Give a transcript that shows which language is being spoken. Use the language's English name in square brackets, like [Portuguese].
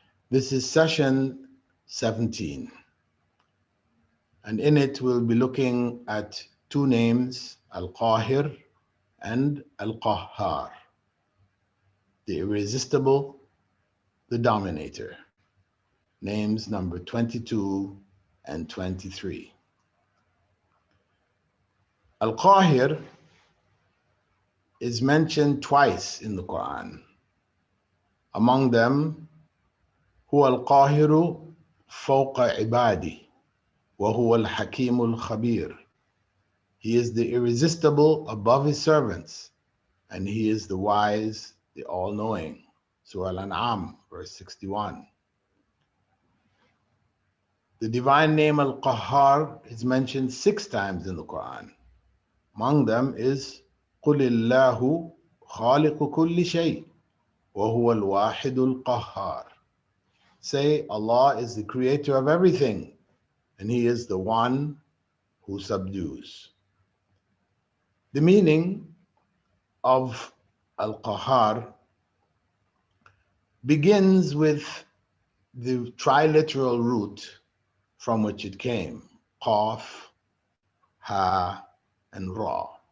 [English] This is session 17. And in it, we'll be looking at two names, Al-Qahir and Al-Qahhar, the irresistible the Dominator, names number 22 and 23. Al-Qahir is mentioned twice in the Quran. Among them, [Arabic] هو القاهر فوق عبادي وهو الحكيم الخبير. [English] He is the irresistible above his servants, and he is the wise, the all-knowing. Surah Al-An'am, verse 61. The divine name Al-Qahhar is mentioned 6 times in the Quran. Among them is [Arabic] قُلِ اللَّهُ خَالِقُ كُلِّ شَيْءٍ وَهُوَ الْوَاحِدُ الْقَهَّارِ. [English] Say, Allah is the creator of everything, and he is the one who subdues. The meaning of Al-Qahhar begins with the triliteral root from which it came, Qaf, Ha, and Ra.